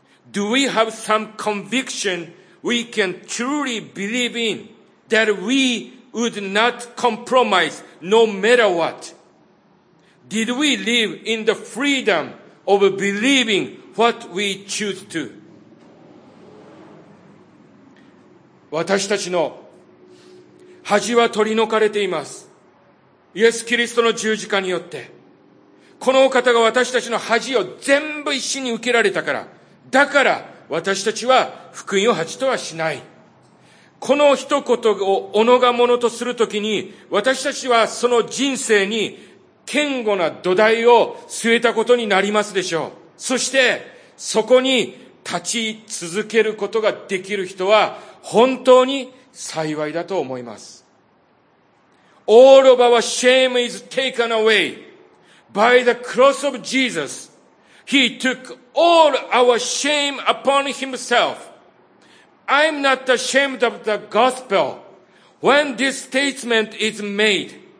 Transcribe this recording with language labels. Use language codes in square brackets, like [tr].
[en] Do we have some conviction we can truly believe in that we would not compromise no matter what? Did we live in the freedom of believing what we choose to? [ja] 私たちの恥は取り除かれています。イエス・キリストの十字架によって、このお方が私たちの恥を全部一身に受けられたから、だから私たちは福音を恥とはしない。この一言を己がものとするときに、私たちはその人生に堅固な土台を据えたことになりますでしょう。そしてそこに立ち続けることができる人は本当に幸いだと思います。 [en] All of our shame is taken away by the cross of Jesus. He tookAll our shame upon himself. I'm not ashamed of the gospel. When this statement is made,